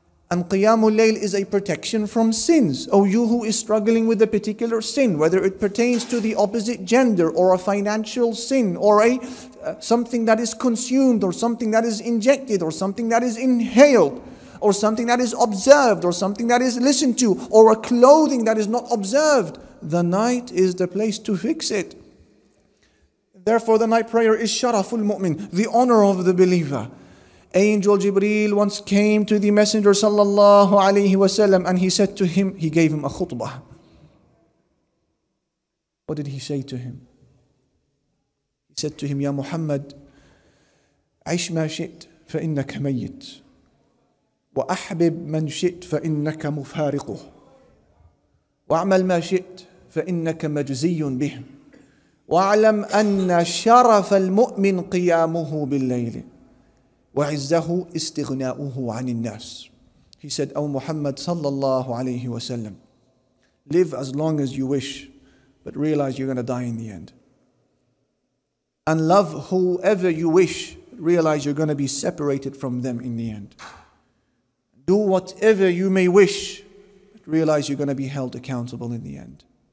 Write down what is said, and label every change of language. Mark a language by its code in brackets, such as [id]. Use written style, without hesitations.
[en] And Qiyamul Layl is a protection from sins. Oh, you who is struggling with a particular sin, whether it pertains to the opposite gender or a financial sin or something that is consumed or something that is injected or something that is inhaled or something that is observed or something that is listened to or a clothing that is not observed, the night is the place to fix it. Therefore, the night prayer is sharaful mu'min, the honor of the believer. Angel Jibreel once came to the Messenger sallallahu alayhi wa sallam and he said to him, he gave him a khutbah. What did he say to him? He said to him, [ar] Ya Muhammad, عِشْ مَا شِئْتْ فَإِنَّكَ مَيِّتْ وَأَحْبِبْ مَنْ شِئْتْ فَإِنَّكَ مُفَارِقُهُ وَأَعْمَلْ مَا شِئْتْ فَإِنَّكَ مَجْزِيٌّ بِهِمْ وَأَعْلَمْ أَنَّ شَرَفَ الْمُؤْمِنْ قِيَامُهُ بِاللَّيْلِ وَعِزَّهُ إِسْتِغْنَاؤُهُ عَنِ النَّاسِ. [en] He said, O Muhammad sallallahu alayhi wa sallam, live as long as you wish, but realize you're going to die in the end. And love whoever you wish, realize you're going to be separated from them in the end. Do whatever you may wish, but realize you're going to be held accountable in the end.